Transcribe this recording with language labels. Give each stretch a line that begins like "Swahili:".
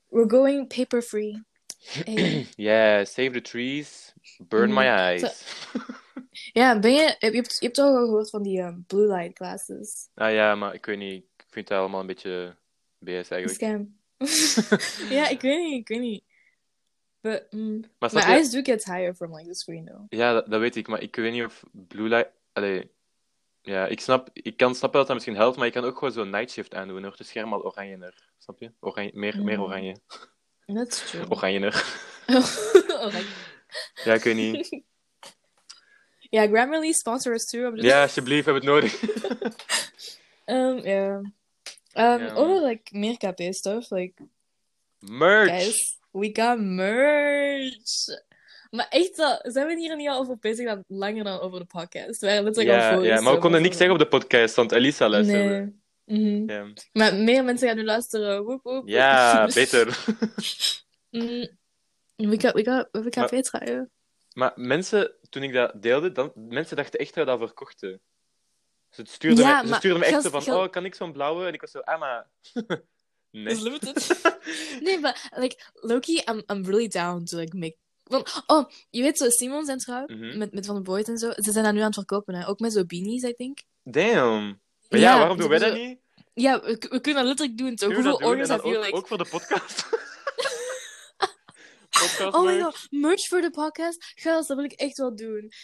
English: We're going paper-free. Yeah, save the trees. Burn my eyes.
Dutch: Ja, je hebt toch al gehoord van die
English: blue light glasses.
Dutch: Ah ja, maar ik weet niet. Ik vind dat allemaal een beetje BS eigenlijk. Scam. Ja, ik weet niet.
English: Maar eyes do get tired from like the screen though.
Dutch: Ja, dat weet ik. Maar ik weet niet of blue light... Allee, ja, ik kan snappen dat dat misschien helpt, maar je kan ook gewoon zo'n night shift aandoen. Hoor. De scherm al oranjener. Snap je? Meer oranje.
English: That's true.
Dutch: Oranjener. Oranje. Ja, ik weet niet.
English: Ja, Grammarly sponsor us too.
Dutch: Ja, alsjeblieft, hebben we het nodig. Over like meer KP stuff, like
English: merch. Guys, we got merch.
Dutch: Maar echt, zijn we hier niet al over bezig dan langer dan over de podcast? We waren letterlijk al voor. Ja, maar we konden niks zeggen op de podcast, want Elisa luisterde. Nee. Mm-hmm. Yeah. Maar meer mensen gaan nu luisteren. Woep. Ja, beter.
English: We got Petra.
Dutch: Maar mensen, toen ik dat deelde, mensen dachten echt dat we dat verkochten. Ze stuurden me echt zo van, kan ik zo'n blauwe? En ik was zo, maar...
English: Nee. It's limited.
Dutch: Nee, maar,
English: like, Loki, I'm really down to, like, make...
Dutch: Want, je weet zo, Simon zijn trouw, met Van de Boyd en zo, ze zijn dat nu aan het verkopen, hè. Ook met zo'n beanies,
English: I think. Damn.
Dutch: Maar ja, waarom doen wij dat niet? Ja, we kunnen dat letterlijk doen. Zo. Hoeveel orders heb je, like... Ook voor de podcast.
English: Oh my god,
Dutch: merch voor de podcast? Gels, dat wil ik echt wel doen.